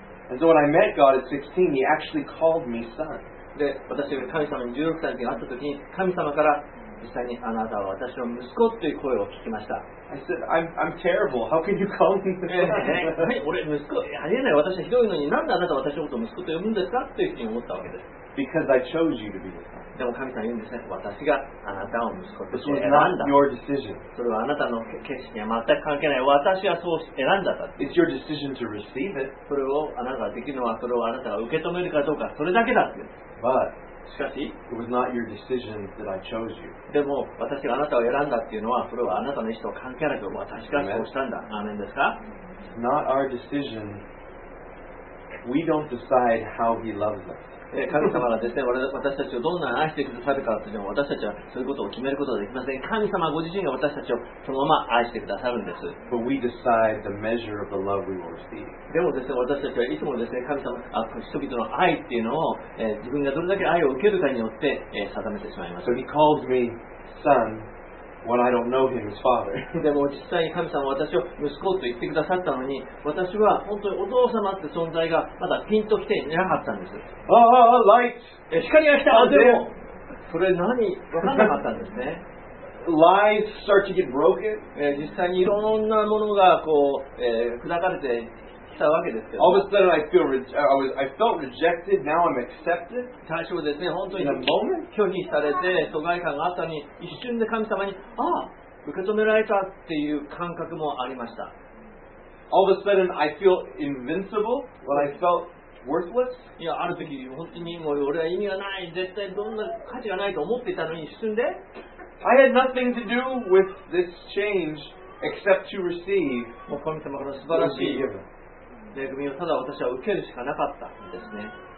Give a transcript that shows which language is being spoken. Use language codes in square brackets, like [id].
[en] And so when I met God at 16, He actually called me son. [ja] で、私が神様に16歳の時に会った時に、神様から実際にあなたは私の息子という声を聞きました。 [en] I said, I'm terrible. How can you call me son? [ja] 俺息子、ありえない。私はひどいのに、なんであなたは私のことを息子と呼ぶんですかというふうに思ったわけです。 [en] Because I chose you to be the son. [ja] でも神様言うんですね。私があなたを息子として選んだ。 This was not your decision. それはあなたの決心には全く関係ない。私はそう選んだ。 [en] It's your decision to receive it. [ja] それをあなたができるのは、それをあなたが受け止めるかどうか、それだけだって。 [en] But, [ja] しかし、 [en] it was not your decision that I chose you. [ja] でも私があなたを選んだっていうのは、それはあなたの意思と関係なく、私がそうしたんだ。アーメンですか? [en] It's not our decision. We don't decide how He loves us. [ja] 神様がですね、私たちをどんなに愛してくださるかというのを私たちはそういうことを決めることはできません。神様ご自身が私たちをそのまま愛してくださるんです。 [en] But we decide the measure of the love we will receive. [ja] でもですね、私たちはいつもですね、神様、人々の愛っていうのを、自分がどれだけ愛を受けるかによって、定めてしまいます。 [en] So he calls me son when I don't know him as father. [ja] でも実際に神様は私を息子と言ってくださったのに、私は本当にお父様って存在がまだピンときていなかったんです。 [en] Ah, light! [ja] 光が来た。でもそれ何分からなかったんですね。 [en] Lies start to get broken. [ja] 実際にいろんなものがこう、砕かれてきたわけですけど。 [en] All of a sudden I felt rejected. Now I'm accepted. [ja] 最初はですね、本当に拒否されて疎外感があったのに、一瞬で神様に、ああ、受け止められたっていう感覚もありました。 [en] All of a sudden I feel invincible. What I felt. Worthless? [ja] いや、ある時本当にもう俺は意味がない、絶対どんな価値がないと思っていたのに一瞬で。 [en] I had nothing to do with this change except to receive. [ja] もう神様の素晴らしい恵みをただ私は受けるしかなかったんですね。